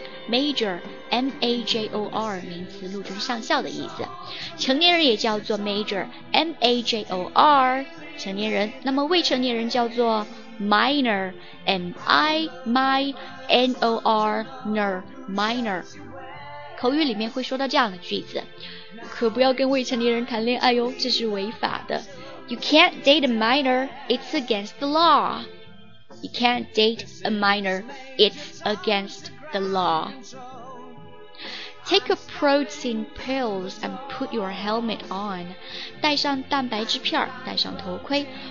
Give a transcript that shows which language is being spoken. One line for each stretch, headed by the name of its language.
Chinese: Major M-A-J-O-R 名词，陆军上校的意思，成年人也叫做 Major M-A-J-O-R 成年人，那么未成年人叫做 Minor M-I-M-I-N-O-R Minor。口语里面会说到这样的句子，可不要跟未成年人谈恋爱哟，这是违法的。
English: You can't date a minor, it's against the law. You can't date a minor, it's against the law. Take a protein pills and put your helmet on.
Chinese: 戴上蛋白质片，戴上头盔。